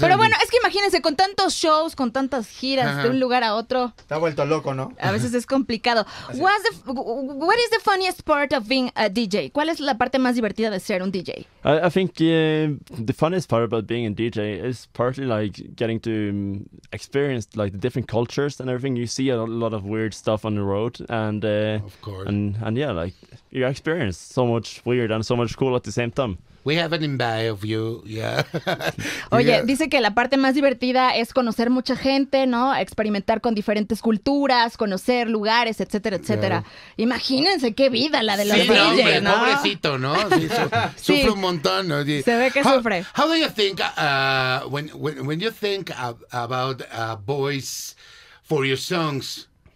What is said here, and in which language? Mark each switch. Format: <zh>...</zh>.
<es>Pero bueno, es que imagínense, con tantos shows, con tantas giras de un lugar a otro. Está vuelto loco, ¿no? A veces es complicado.</es> <en>What is the funniest part of being a DJ?</en> <es>¿Cuál es la parte más divertida de ser un DJ?</es> <en>I think the funniest part about being a DJ is partly like getting to experience like the different cultures and everything. You see a lot of weird stuff on the road and you experience so much weird and so much cool at the same time. We have an imbibe of you, yeah.</en> <es>Oye,</es> <en>yeah.</en> <es>Dice que la parte más divertida es conocer mucha gente, ¿no? Experimentar con diferentes culturas, conocer lugares, etcétera, etcétera.</es> <en>Yeah.</en> <es>Imagínense qué vida la de los DJs, ¿no? Sí, ¿no? Pobrecito, ¿no? Sí, sufre un montón, ¿no? Sí. Se ve que sufre.</es> <en>How do you think when you think about boys for your songs?</en>